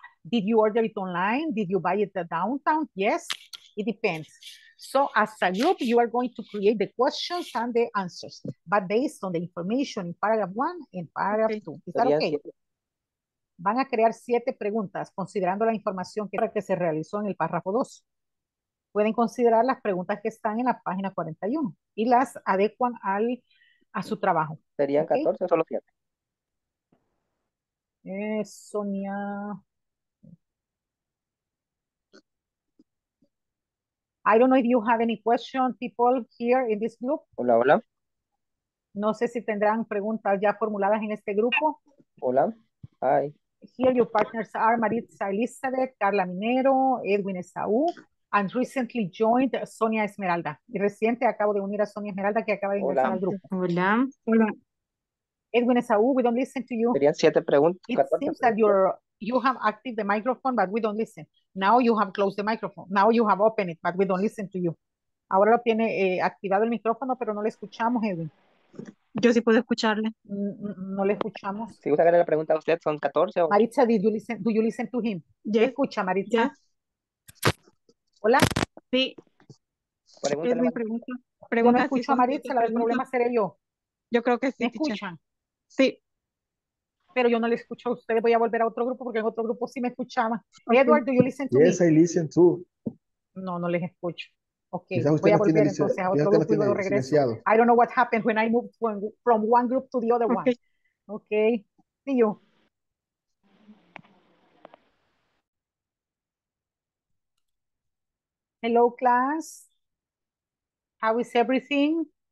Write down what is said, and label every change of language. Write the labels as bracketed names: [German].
[English] Did you order it online? Did you buy it downtown? Yes, it depends. So as a group, you are going to create the questions and the answers, but based on the information in paragraph 1 and paragraph 2. Is that okay? [Spanish] Van a crear 7 preguntas considerando la información que se realizó en el párrafo 2. Pueden considerar las preguntas que están en la página 41 y las adecuan al a su trabajo. ¿Serían 14 o solo 7? Sonia. [English] I don't know if you have any questions, people here in this group. [Spanish] Hola, hola. No sé si tendrán preguntas ya formuladas en este grupo. Hola. Hi. [English] Here your partners are Maritza Elizabeth, Carla Minero, Edwin Esaú, and recently joined Sonia Esmeralda. [Spanish] Y reciente acabo de unir a Sonia Esmeralda que acaba de ingresar hola. Al grupo. Hola. Hola. [English] Edwin Esaú, we don't listen to you. [Spanish] Serían 7 preguntas. [English] It seems that you have active the microphone, but we don't listen. Now you have closed the microphone. Now you have opened it, but we don't listen to you. [Spanish] Ahora lo tiene activado el micrófono, pero no le escuchamos, Edwin. Yo sí puedo escucharle. No le escuchamos. Si gusta que le pregunta a usted, son 14 o... [English] Maritza, do you listen to him? Yes. [Spanish] Escucha, Maritza. Yes. Hola. Sí. Es mi pregunta. Yo no escucho a Maritza, el problema seré yo. Yo creo que sí. ¿Me escuchan? Sí. Pero yo no le escucho a ustedes. Voy a volver a otro grupo porque en otro grupo sí me escuchaba. [English] Okay. Edward, do you listen to yes, me? Yes, I listen to. [Spanish] No, no les escucho. Ok, voy a volver entonces a otro grupo y luego regreso. [English] I don't know what happened when I moved from one group to the other okay. one. Ok, see you. Hello, class. How is everything?